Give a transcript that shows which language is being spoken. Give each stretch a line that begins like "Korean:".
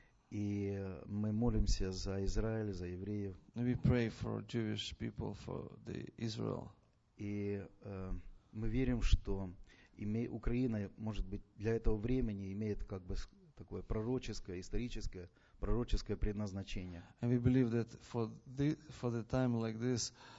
Russian: И мы молимся за Израиль, за евреев.
English: We pray for Jewish people, for the Israel.
Russian: И мы верим, что Украина, может быть, для этого времени имеет как бы такое пророческое, историческое, пророческое предназначение.
English: And we believe that for the time like this,